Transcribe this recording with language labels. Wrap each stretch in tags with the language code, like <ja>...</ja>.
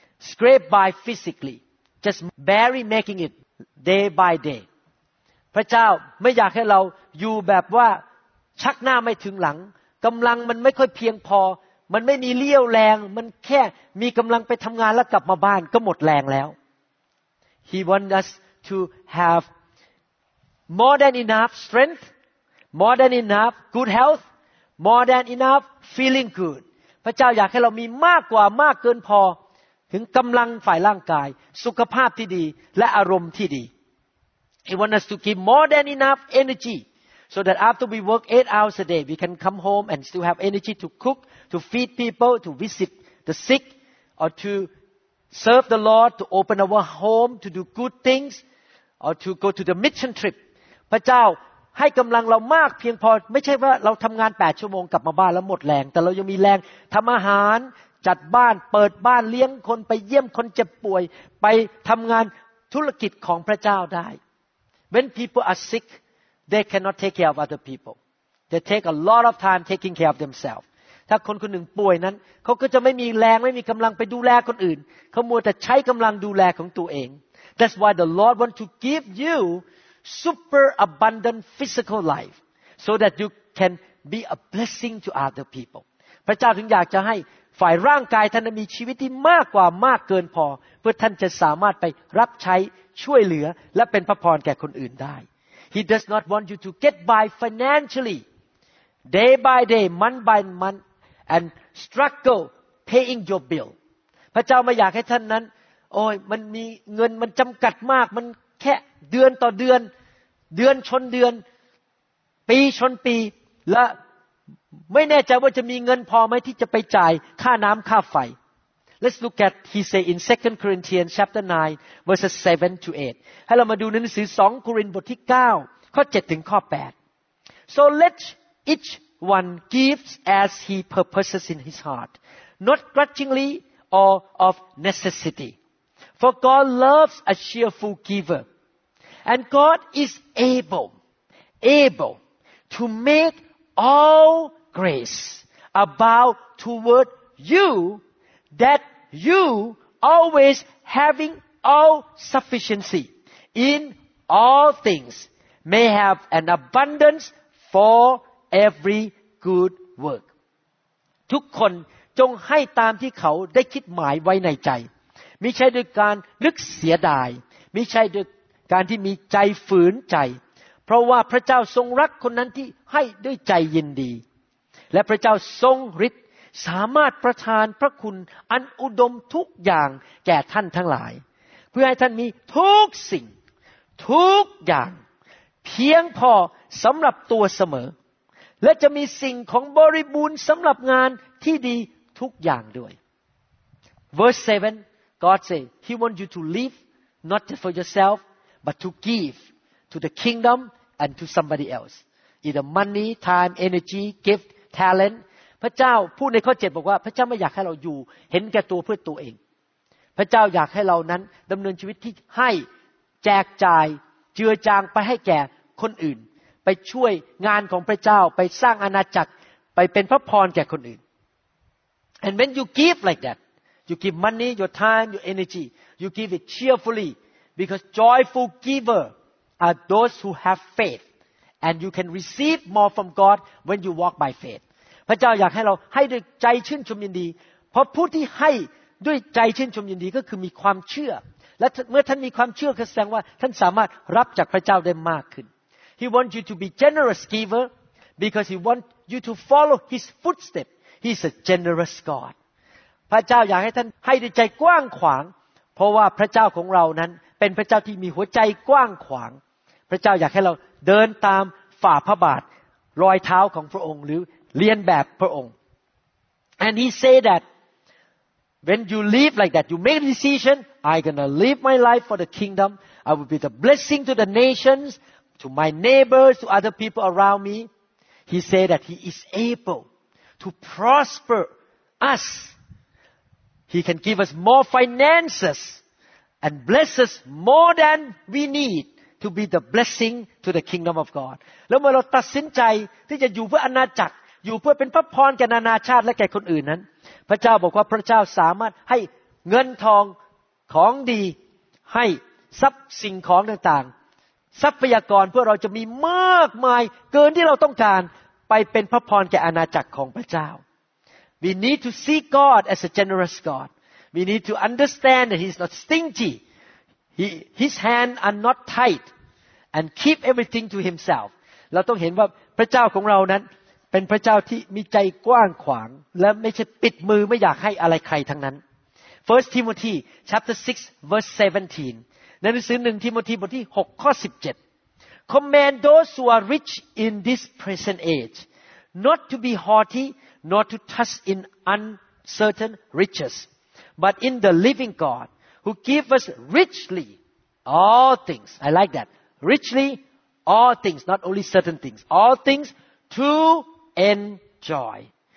<en>scrape by physically, just barely making it day by day.</en> <th>พระเจ้าไม่อยากให้เราอยู่แบบว่าชักหน้าไม่ถึงหลังกำลังมันไม่ค่อยเพียงพอมันไม่มีเรี่ยวแรงมันแค่มีกำลังไปทำงานแล้วกลับมาบ้านก็หมดแรงแล้ว</th> <en>He wants us to have more than enough strength, more than enough good health, more than enough feeling good.</en> <th>พระเจ้าอยากให้เรามีมากกว่ามากเกินพอถึงกำลังฝ่ายร่างกายสุขภาพที่ดีและอารมณ์ที่ดี</th> <en>He wants us to keep more than enough energySo that after we work 8 hours a day, we can come home and still have energy to cook, to feed people, to visit the sick, or to serve the Lord, to open our home, to do good things, or to go to the mission trip.</en> <th>พระเจ้าให้กำลังเรามากเพียงพอไม่ใช่ว่าเราทำงาน8ชั่วโมงกลับมาบ้านแล้วหมดแรงแต่เรายังมีแรงทำอาหารจัดบ้านเปิดบ้านเลี้ยงคนไปเยี่ยมคนเจ็บป่วยไปทำงานธุรกิจของพระเจ้าได้</th> <en>When people are sickthey cannot take care of other people they take a lot of time taking care of themselves</en> <th>ถ้าคนคนหนึ่งป่วยนั้นเขาก็จะไม่มีแรงไม่มีกำลังไปดูแลคนอื่นเขามัวแต่ใช้กำลังดูแลของตัวเอง</th> <en>that's why the lord want to give you super abundant physical life so that you can be a blessing to other people</en> <th>พระเจ้าถึงอยากจะให้ฝ่ายร่างกายท่านมีชีวิตที่มากกว่ามากเกินพอเพื่อท่านจะสามารถไปรับใช้ช่วยเหลือและเป็นพระพรแก่คนอื่นได้</th> <en>He does not want you to get by financially, day by day, month by month, and struggle paying your bill.</en> <th>พระเจ้าไม่อยากให้ท่านนั้นโอ้ยมันมีเงินมันจำกัดมากมันแค่เดือนต่อเดือนเดือนชนเดือนปีชนปีและไม่แน่ใจว่าจะมีเงินพอไหมที่จะไปจ่ายค่าน้ำค่าไฟ</th> <en>Let's look at, he say in 2 Corinthians chapter 9, verses 7 to 8.</en> <th>ให้เรามาดูในหนังสือ2 Corinthians บทที่9, ข้อ7ถึงข้อ8.</th> <en>So let each one give as he purposes in his heart, not grudgingly or of necessity. For God loves a cheerful giver. And God is able to make all grace abound toward you,that you always having all sufficiency in all things may have an abundance for every good work</en> <th>ทุกคนจงให้ตามที่เขาได้คิดหมายไว้ในใจมิใช่โดยการนึกเสียดายมิใช่โดยการที่มีใจฝืนใจเพราะว่าพระเจ้าทรงรักคนนั้นที่ให้ด้วยใจยินดีและพระเจ้าทรงฤทธสามารถประทานพระคุณอันอุดมทุกอย่างแก่ท่านทั้งหลายเพื่อให้ท่านมีทุกสิ่ง ทุกอย่างเพียงพอสำหรับตัวเสมอและจะมีสิ่งของบริบูรณ์สำหรับงานที่ดีทุกอย่างด้วย</th> <en>Verse 7 God say He want you to live not just for yourself but to give to the kingdom and to somebody else either money time energy gift talent</en> <th>พระเจ้าพูดในข้อ7บอกว่าพระเจ้าไม่อยากให้เราอยู่เห็นแก่ตัวเพื่อตัวเองพระเจ้าอยากให้เรานั้นดำเนินชีวิตที่ให้แจกจ่ายเจือจางไปให้แก่คนอื่นไปช่วยงานของพระเจ้าไปสร้างอาณาจักรไปเป็นพระพรแก่คนอื่น</th> <en>And when you give like that you give money your time your energy you give it cheerfully because joyful giver are those who have faith and you can receive more from God when you walk by faith</en> <th>พระเจ้าอยากให้เราให้ด้วยใจชื่นชมยินดีเพราะผู้ที่ให้ด้วยใจชื่นชมยินดีก็คือมีความเชื่อและเมื่อท่านมีความเชื่อแสดงว่าท่านสามารถรับจากพระเจ้าได้มากขึ้น</th> <en>He wants you to be generous giver because he wants you to follow his footstep he's a generous God</en> <th>พระเจ้าอยากให้ท่านให้ด้วยใจกว้างขวางเพราะว่าพระเจ้าของเรานั้นเป็นพระเจ้าที่มีหัวใจกว้างขวางพระเจ้าอยากให้เราเดินตามฝ่าพระบาทรอยเท้าของพระองค์หรือเรียนแบบพระองค์</th> <en>and he say that when you live like that you make a decision I'm gonna live my life for the kingdom I will be the blessing to the nations to my neighbors to other people around me he say that he is able to prosper us he can give us more finances and bless us more than we needto be the blessing to the kingdom of God</en> <th>แล้วเมื่อเราตัดสินใจที่จะอยู่เพื่ออาณาจักรอยู่เพื่อเป็นพระพรแก่นานาชาติและแก่คนอื่นนั้นพระเจ้าบอกว่าพระเจ้าสามารถใ เงินทองของดีให้ทรัพย์สิ่งของต่างๆทรัพยากรเพื่อเราจะมีมากมายเกินที่เราต้องการไปเป็นพระพรแก่อาณาจักรของพระเจ้า</th> <en>We need to see God as a generous God. We need to understand that He's not stingy. His hands are not tight and keep everything to Himself.</en> <th>เราต้องเห็นว่าพระเจ้าของเรานั้นเป็นพระเจ้าที่มีใจกว้างขวางและไม่ใช่ปิดมือไม่อยากให้อะไรใครทั้งนั้น</th> <en>1 Timothy chapter 6 verse 17</en> <th>ในหนังสือ1 Timothy บทที่6ข้อ</th> <en>17 Command those who are rich in this present age not to be haughty nor to trust in uncertain riches but in the living God who gives us richly all things I like that richly all things not only certain things all thingsTo enjoy.</en>